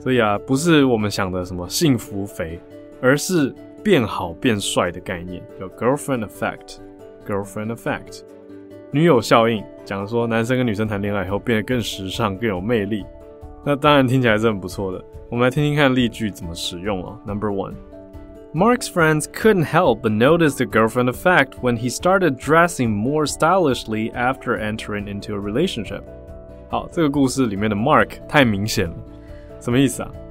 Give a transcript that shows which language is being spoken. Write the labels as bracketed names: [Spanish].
[Chinese] 所以啊，不是我们想的什么幸福肥，而是变好变帅的概念，叫 girlfriend effect， girlfriend effect， 女友效应，讲说男生跟女生谈恋爱以后变得更时尚更有魅力。那当然听起来是很不错的，我们来听听看例句怎么使用啊。 [English] Number one， Mark's friends couldn't help but notice the girlfriend effect when he started dressing more stylishly after entering into a relationship。 [Chinese] 好，这个故事里面的 Mark 太明显了，什么意思啊？